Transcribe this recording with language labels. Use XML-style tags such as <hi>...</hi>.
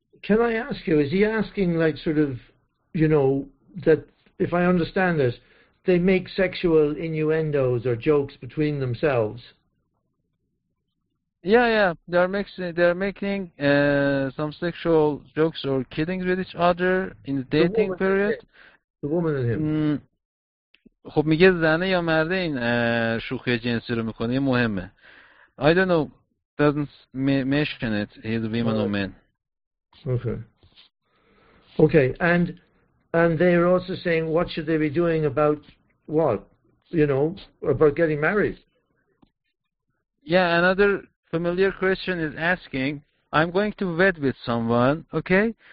<en>Can I ask you, is he asking that if I understand this, they make sexual innuendos or jokes between themselves? Yeah, they're making some sexual jokes or kiddings with each other in the dating period. The woman and him.</en> <fa>خب میگه زنه یا مرده این شوخی جنسی رو میکنه، یه مهمه.</fa> <en>I don't know, doesn't mention it, he's a woman or man. Okay, and they are also saying what should they be doing about what? About getting married. Yeah, another familiar question is asking, I'm going to wed with someone, okay?</en>